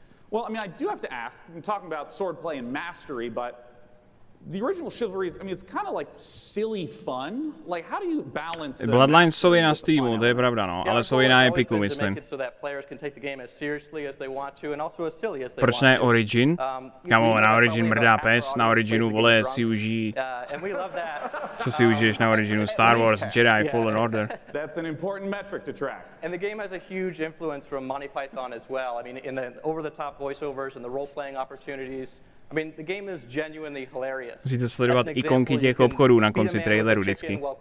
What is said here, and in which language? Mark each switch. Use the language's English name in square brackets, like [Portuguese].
[English] Well, I mean, I do have to ask, I'm talking about swordplay and mastery, but the original chivalry is, I mean, it's kind of like silly fun. Like, how do you balance that? [Czech] Bloodlines jsou jiná z týmu, to je pravda, no, ale jsou jiná epiku, myslím. [English] So that players can take the game as seriously as they want to and also as silly as they [Czech] want. Proč ne Origin? Kamo, na Origin mrdá pes, na Originu, vole, si uží. [English] And we love that. [Czech] Co si užiješ na Originu? Star Wars, Jedi, Fallen Order. [English] That's an important metric to track. And the game has a huge influence from Monty Python as well. I mean, in the over-the-top voiceovers and the role-playing opportunities. I mean, the game is genuinely hilarious. [Czech] Musíte sledovat ikonky těch obchodů na konci traileru vždycky.